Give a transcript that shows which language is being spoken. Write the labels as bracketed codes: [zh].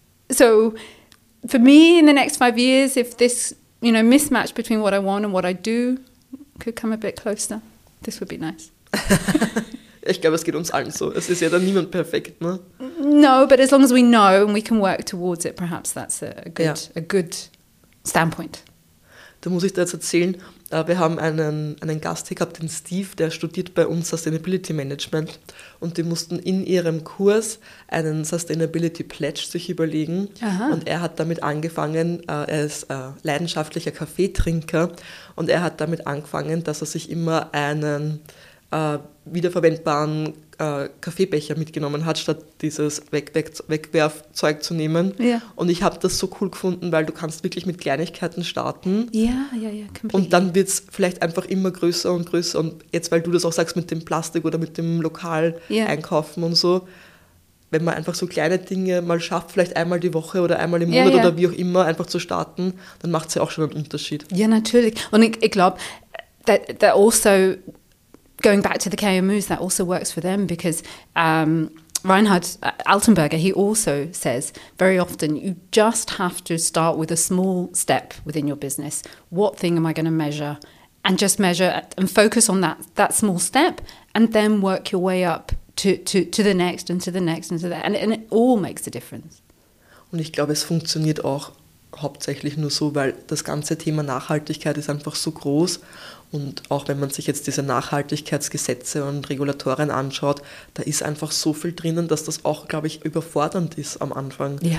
[en] So for me, in the next 5 years, if this, you know, mismatch between what I want and what I do could come a bit closer, this would be nice. [de] Ich glaube, es geht uns allen so. Es ist ja dann niemand perfekt, ne? [en] No, but as long as we know and we can work towards it, perhaps that's a good standpoint. [de] Da muss ich dir jetzt erzählen, wir haben einen Gast hier gehabt, den Steve, der studiert bei uns Sustainability Management. Und die mussten in ihrem Kurs einen Sustainability Pledge sich überlegen. Aha. Und er hat damit angefangen, er ist leidenschaftlicher Kaffeetrinker, und er hat damit angefangen, dass er sich immer einen wiederverwendbaren Kaffeebecher mitgenommen hat, statt dieses Wegwerfzeug zu nehmen. [en] Yeah. [de] Und ich habe das so cool gefunden, weil du kannst wirklich mit Kleinigkeiten starten. Ja, komplett. Und dann wird es vielleicht einfach immer größer und größer. Und jetzt, weil du das auch sagst mit dem Plastik oder mit dem Lokal einkaufen und so, wenn man einfach so kleine Dinge mal schafft, vielleicht einmal die Woche oder einmal im Monat oder wie auch immer, einfach zu starten, dann macht es ja auch schon einen Unterschied. Ja, natürlich. Und ich glaube, [en] that also, going back to the KMUs, that also works for them, because Reinhard Altenberger, he also says very often you just have to start with a small step within your business. What thing am I going to measure? And just measure and focus on that small step, and then work your way up to the next and to the next and to that. And it all makes a difference. [de] Und ich glaube, es funktioniert auch hauptsächlich nur so, weil das ganze Thema Nachhaltigkeit ist einfach so groß. Und auch wenn man sich jetzt diese Nachhaltigkeitsgesetze und Regulatorien anschaut, da ist einfach so viel drinnen, dass das auch, glaube ich, überfordernd ist am Anfang.